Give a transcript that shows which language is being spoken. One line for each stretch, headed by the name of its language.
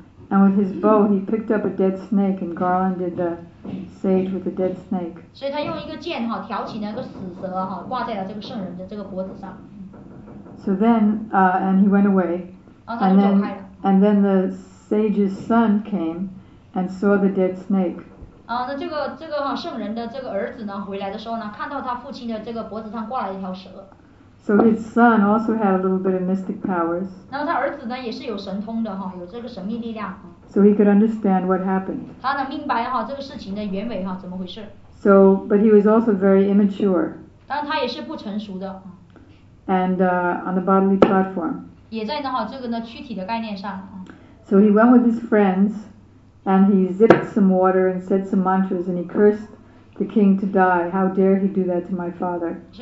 English: And with his bow, he picked up a dead snake and garlanded the sage with a dead snake.
Chinese: 所以他用一个剑挑起那个死蛇，挂在了这个圣人的脖子上。
English: So then, and he went away. And then the sage's son came and saw the dead snake.
Chinese: 那这个圣人的儿子回来的时候，看到他父亲的脖子上挂了一条蛇。
English: So his son also had a little bit of mystic powers.
Chinese: 那么他儿子也是有神通的，有这个神秘力量。
English: So he could understand what happened.
Chinese: 他明白这个事情的原委，怎么回事。
English: So, but he was also very immature.
Chinese: 但他也是不成熟的。
English: And on the bodily platform.
Chinese: 也在这个躯体的概念上。
English: So he went with his friends, and he zipped some water and said some mantras and he cursed the king to die. How dare he do that to my father?